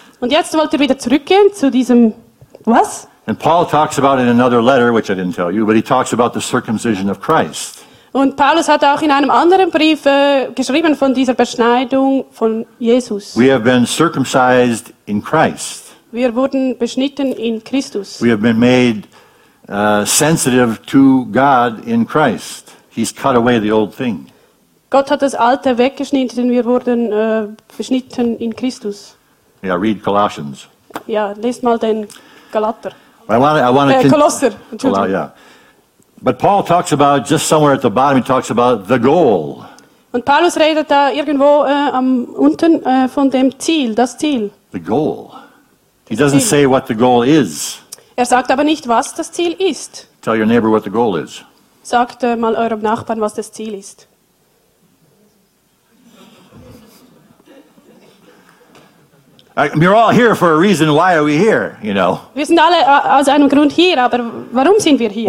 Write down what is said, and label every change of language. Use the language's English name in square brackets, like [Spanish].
[German] Und jetzt wollt ihr wieder zurückgehen zu diesem was? [English] And Paul talks about in another letter, which I didn't tell you, but he talks about the circumcision of Christ. [German] Und Paulus hat auch in einem anderen Brief geschrieben von dieser Beschneidung von Jesus. [English] We have been circumcised in Christ. [German] Wir wurden beschnitten in Christus. [English] We have been made sensitive to God in Christ. He's cut away the old thing. [German] Gott hat das Alte weggeschnitten. Wir wurden beschnitten in Christus. [English] Yeah, read Colossians. [German] Ja, lest mal den Galater. Kolosser. [English] But Paul talks about just somewhere at the bottom. He talks about the goal. [German] Und Paulus redet da irgendwo am unten von dem Ziel, das Ziel. [English] The goal. He doesn't say what the goal is. [German] Er sagt aber nicht, was das Ziel ist. [English] Tell your neighbor what the goal is. [German] Sagt mal eurem Nachbarn, was das Ziel ist. [English] We're all here for a reason. Why are we here? You know. [German] Wir sind alle aus einem Grund hier, aber warum sind wir hier?